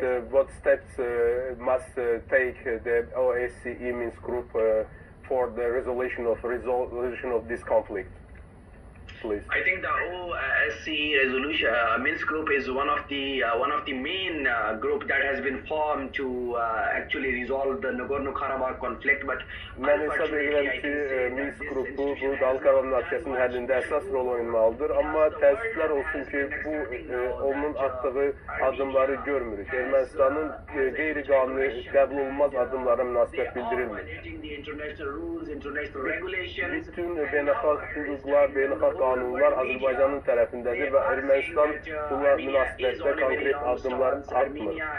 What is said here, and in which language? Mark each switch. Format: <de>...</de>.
<en>what steps must take the OSCE Minsk Group for the resolution of this conflict? Please. I think the OSCE resolution Minsk group is one of the main group that has been formed to actually resolve the Nagorno-Karabakh conflict. But many have been</en> <az>ki Minsk grubu bu Dalkarov münaqişəsinin həllində əsas rol oynamalıdır. Amma təəssüflər olsun ki, bu onun attığı adımları görmürük. Ermənistanın qeyri-qanuni qəbul olunmaz adımlara münasibət bildirilmir. Bütün beynəlxalq hüquqlar, beynəlxalq qanunlar Azərbaycanın tərəfindədir və Ermənistan buna münasibətdə konkret addımlar atmır.</az>